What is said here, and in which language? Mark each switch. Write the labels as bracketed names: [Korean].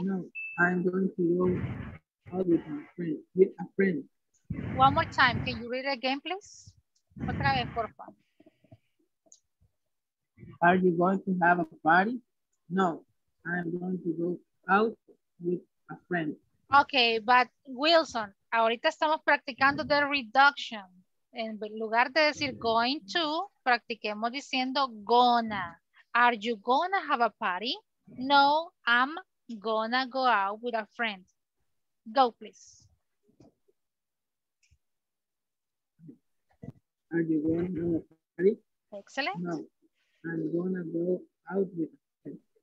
[English] No, I'm going to go out with my friend. One more time. Can you read it again, please? [Spanish] Otra vez, por favor. [English] Are you going to have a party? No, I'm going to go out with a friend. Okay, but Wilson, [Spanish] ahorita estamos practicando [English] the reduction. [Spanish] En lugar de decir [English] going to, [Spanish] practiquemos diciendo gonna. [English] Are you gonna have a party? No, I'm gonna go out with a friend. Go, please. Are you going to have a party? Excellent. No, I'm gonna go out with a friend.